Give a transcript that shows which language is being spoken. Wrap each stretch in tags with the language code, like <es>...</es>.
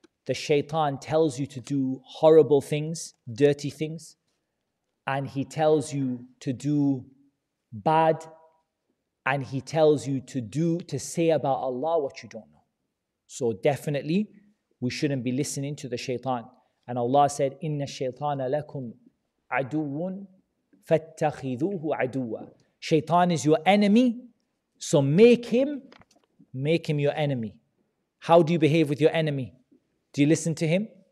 <en>The shaitan tells you to do horrible things, dirty things, and he tells you to do bad, and he tells you to say about Allah what you don't know. So definitely, we shouldn't be listening to the shaitan. And Allah said,</en> <ar>إِنَّ الشَّيْطَانَ لَكُمْ عَدُوٌ فَاتَّخِذُوهُ عَدُوًا.</ar> <en>Shaitan is your enemy, so make him your enemy. How do you behave with your enemy? Do you listen to him?</en>